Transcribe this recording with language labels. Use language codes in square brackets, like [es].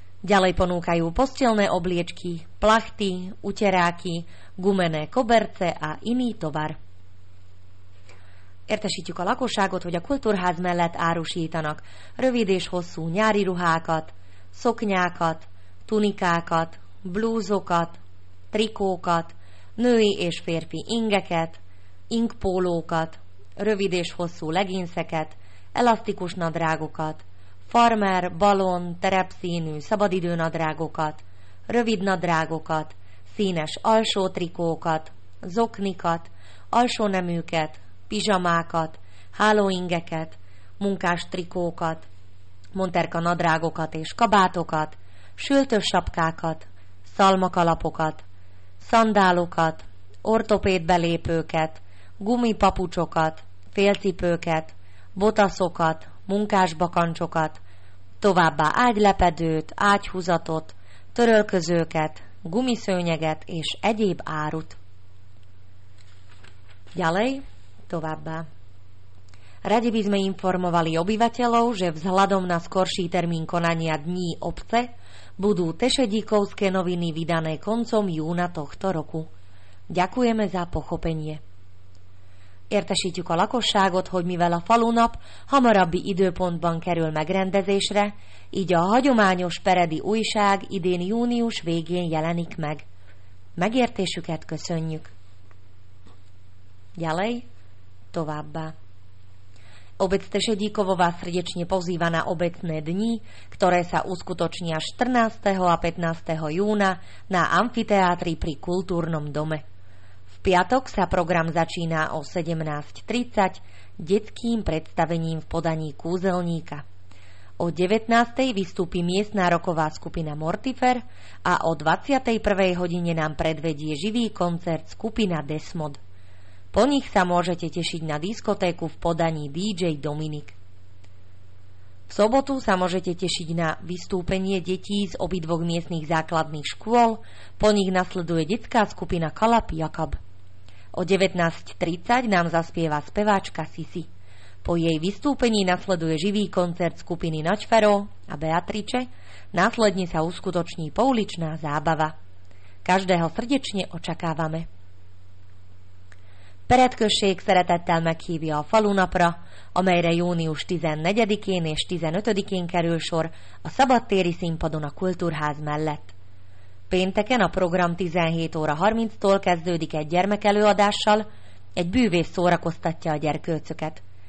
[sk] Ďalej ponúkajú postelné obliečky, plachty, uteráky, gumené koberce a iný tovar. [hu] Értesítjük a lakosságot, hogy a kultúrház mellett árusítanak rövid és hosszú nyári ruhákat, szoknyákat, tunikákat, blúzokat, trikókat, női és férfi ingeket, inkpólókat, rövid és hosszú leginszeket, elasztikus nadrágokat, farmer, balon, terepszínű, szabadidő nadrágokat, rövid nadrágokat, színes alsó trikókat, zoknikat, alsóneműket, pizsamákat, hálóingeket, munkás trikókat, monterka nadrágokat és kabátokat, sültös sapkákat, szalmakalapokat, szandálokat, ortopéd belépőket, gumipapucsokat, félcipőket, botaszokat, munkás bakancsokat, továbbá ágylepedőt, ágyhúzatot, törölközőket, gumiszőnyeget és egyéb árut. [sk] Ďalej, [hu] továbbá. [sk] Radi by sme informovali obyvateľov, že vzhľadom na skorší termín konania dní obce budú tešedíkovské noviny vydané koncom júna tohto roku. Ďakujeme za pochopenie. [hu] Értesítjük a lakosságot, hogy mivel a falunap hamarabbi időpontban kerül megrendezésre, így a hagyományos peredi újság idén június végén jelenik meg. Megértésüket köszönjük. [sk] Ďalej, [hu] továbbá. [sk] Obec Tešedíkovo vás srdečne pozýva na obecné dni, ktoré sa uskutočnia 14. a 15. júna na amfiteátri pri kultúrnom dome. V piatok sa program začína o 17.30 detským predstavením v podaní kúzelníka. O 19.00 vystúpi miestna roková skupina Mortifer a o 21.00 hodine nám predvedie živý koncert skupina Desmod. Po nich sa môžete tešiť na diskotéku v podaní DJ Dominik. V sobotu sa môžete tešiť na vystúpenie detí z obidvoch miestnych základných škôl, po nich nasleduje detská skupina Kalap Jakab. O 19.30 nám zaspieva speváčka Sisi. Po jej vystúpení nasleduje živý koncert skupiny Načfero a Beatrice, následne sa uskutoční pouličná zábava. Každého srdečne očakávame. [hu] Peredkösség szeretettel meghívja a falunapra, amelyre június 14-én és 15-én kerül sor a szabadtéri színpadon a kultúrház mellett. Pénteken a program 17 óra 30-tól kezdődik egy gyermekelőadással, egy bűvész szórakoztatja a gyerkőcöket.